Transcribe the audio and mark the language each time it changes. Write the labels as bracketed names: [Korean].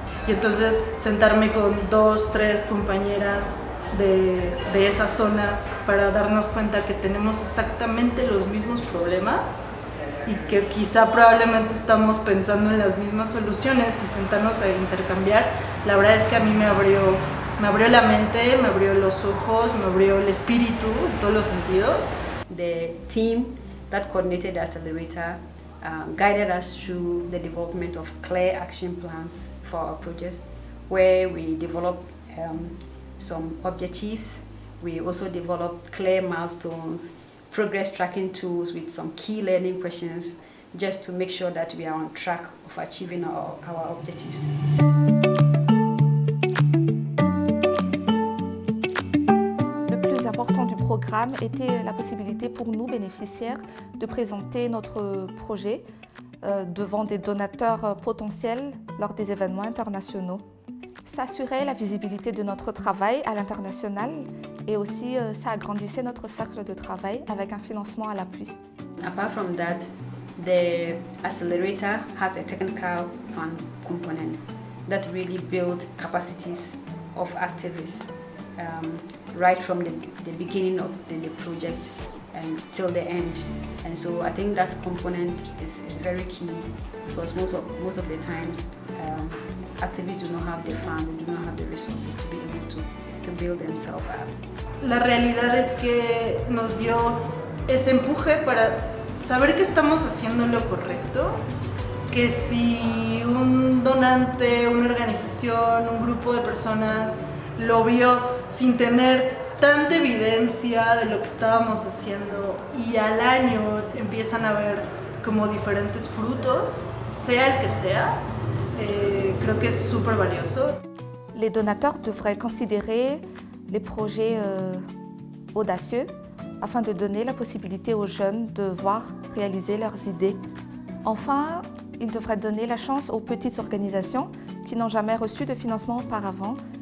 [Spanish] Y entonces sentarme con dos, tres compañeras de esas zonas para darnos cuenta que tenemos exactamente los mismos problemas y que quizá probablemente estamos pensando en las mismas soluciones y sentarnos a intercambiar, la verdad es que a mí me abrió la mente, me abrió los ojos, me abrió el espíritu en todos los sentidos. [English] The team that coordinated the accelerator guided us through the development of clear action plans for our projects, where we develop some objectives. We also develop clear milestones, progress tracking tools with some key learning questions, just to make sure that we are on track of achieving our objectives. [French] Programme était la possibilité pour nous, bénéficiaires, de présenter notre projet devant des donateurs potentiels lors des événements internationaux. S'assurer la visibilité de notre travail à l'international et aussi ça agrandissait notre cercle de travail avec un financement à l'appui. [English] Apart from that, the accelerator has a technical fund component that really builds capacities of activists. Right from the beginning of the project and till the end. And so I think that component is very key, because most of the times activists do not have the funds, they do not have the resources to be able to build themselves up. [Spanish] La realidad es que nos dio ese empuje para saber que estamos haciendo lo correcto, que si un donante, una organización, un grupo de personas lo vio sin tener tanta evidencia de lo que estábamos haciendo y al año empiezan a ver como diferentes frutos, sea el que sea, creo que es súper valioso. [French] Les donateurs devraient considérer les projets audacieux afin de donner la possibilité aux jeunes de voir réaliser leurs idées. Enfin, ils devraient donner la chance aux petites organisations qui n'ont jamais reçu de financement auparavant.